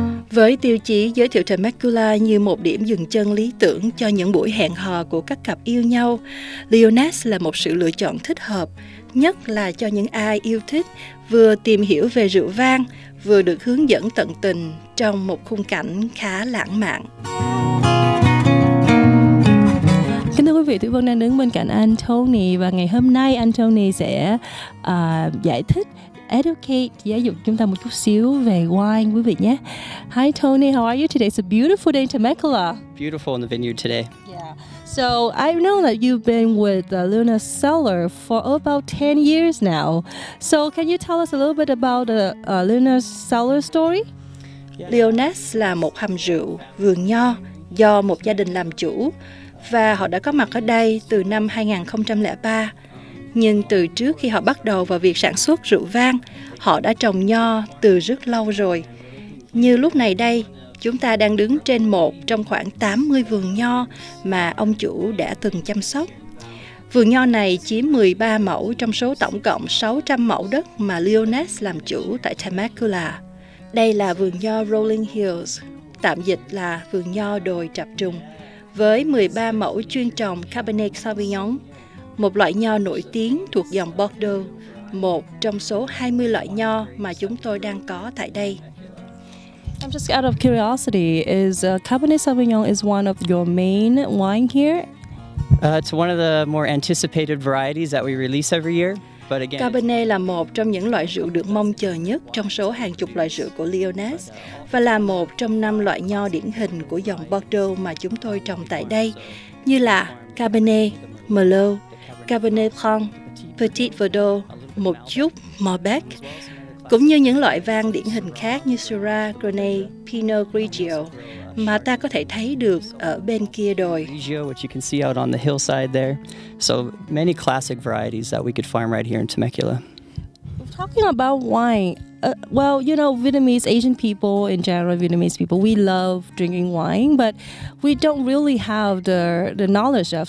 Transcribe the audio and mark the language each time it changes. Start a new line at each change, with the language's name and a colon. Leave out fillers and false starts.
Vietnamese: Với tiêu chí giới thiệu Temecula như một điểm dừng chân lý tưởng cho những buổi hẹn hò của các cặp yêu nhau, Lioness là một sự lựa chọn thích hợp, nhất là cho những ai yêu thích vừa tìm hiểu về rượu vang, vừa được hướng dẫn tận tình trong một khung cảnh khá lãng mạn. Kính thưa quý vị, Thủy Vân đang đứng bên cạnh anh Tony và ngày hôm nay anh Tony sẽ giải thích, educate, giáo dục chúng ta một chút xíu về wine, quý vị nhé.
English: Hi Tony, how are you today? It's a beautiful day in Temecula. Beautiful in the vineyard today. Yeah. So I know that you've been with Lioness Cellar for about 10 years now. So can you tell us a little bit about the Lioness Cellar story?
Vietnamese: Lioness là một hầm rượu, vườn nho do một gia đình làm chủ. Và họ đã có mặt ở đây từ năm 2003. Nhưng từ trước khi họ bắt đầu vào việc sản xuất rượu vang, họ đã trồng nho từ rất lâu rồi. Như lúc này đây, chúng ta đang đứng trên một trong khoảng 80 vườn nho mà ông chủ đã từng chăm sóc. Vườn nho này chiếm 13 mẫu trong số tổng cộng 600 mẫu đất mà Lioness làm chủ tại Temecula. Đây là vườn nho Rolling Hills, tạm dịch là vườn nho đồi trập trùng, với 13 mẫu chuyên trồng Cabernet Sauvignon, một loại nho nổi tiếng thuộc dòng Bordeaux, một trong số 20 loại nho mà chúng tôi đang có tại đây.
English: I'm just out of curiosity, is Cabernet Sauvignon is one of your main wine here? It's one of the more anticipated varieties that we release every year. But again,
Vietnamese: Cabernet là một trong những loại rượu được mong chờ nhất trong số hàng chục loại rượu của Lioness và là một trong năm loại nho điển hình của dòng Bordeaux mà chúng tôi trồng tại đây, như là Cabernet, Merlot, Cabernet Franc, Petit Verdot, một chút Malbec, cũng như những loại vang điển hình khác như Syrah, Grenache, Pinot Grigio mà ta có thể thấy được ở bên kia đồi.
English: Grigio, which you can see out on the hillside there. So many classic varieties that we could farm right here in Temecula. Talking about wine, well, you know, Vietnamese, Asian people in general, Vietnamese people, we love drinking wine, but we don't really have the knowledge of.